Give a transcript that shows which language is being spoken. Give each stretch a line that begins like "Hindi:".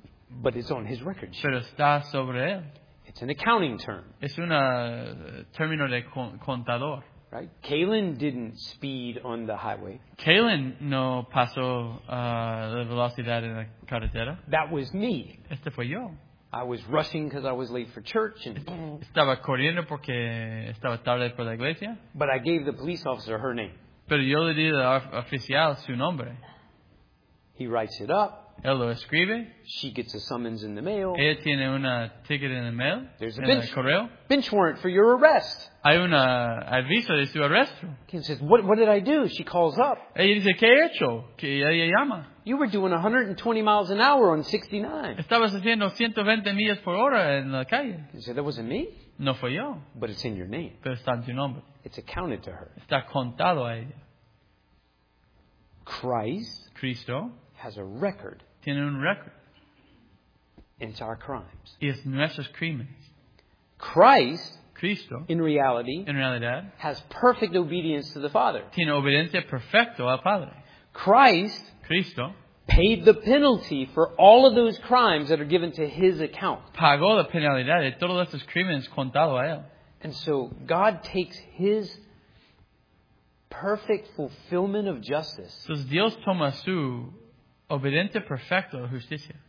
English: But it's on his record.
Spanish: Pero está sobre él.
English: It's an accounting term.
Spanish: Es una término de contador.
English: Right? Kalen didn't speed on the highway.
Spanish: Kalen no pasó la velocidad en la carretera.
English: That was me.
Spanish: Este fue yo.
English: I was rushing because I was late for church. And
Spanish: estaba corriendo porque estaba tarde por la iglesia.
English: But I gave the police officer her name.
Spanish: Pero yo le di al oficial su nombre.
English: He writes it up.
Spanish: Él lo escribe.
English: She gets a summons in the mail.
Spanish: Ella tiene una ticket
English: in the mail. There's
Spanish: en
English: a bench,
Spanish: el correo.
English: Bench warrant for your arrest.
Spanish: Hay una aviso de su arresto.
English: Kim says, what did I do? She calls up.
Spanish: Ella dice, ¿qué he hecho? Que ella llama.
English: You were doing 120 miles an hour on 69.
Spanish: Estabas haciendo 120 millas por hora en la calle.
English: Kim says, that wasn't me.
Spanish: No fue yo.
English: But it's in your name.
Spanish: Pero está en tu nombre.
English: It's accounted to her.
Spanish: Está contado a ella.
English: Christ.
Spanish: Cristo.
English: Has a record.
Spanish: Tiene un record.
English: It's our crimes.
Spanish: Y es nuestros crímenes.
English: Christ,
Spanish: Cristo,
English: in reality,
Spanish: en realidad,
English: has perfect obedience to the Father.
Spanish: Tiene obediencia perfecta al Padre.
English: Christ
Spanish: Cristo
English: paid the penalty for all of those crimes that are given to his account.
Spanish: Pagó la penalidad de todos esos crímenes contado a él.
English: And so God takes his perfect fulfillment of justice.
Spanish: Entonces Dios toma su obediente perfecto de justicia.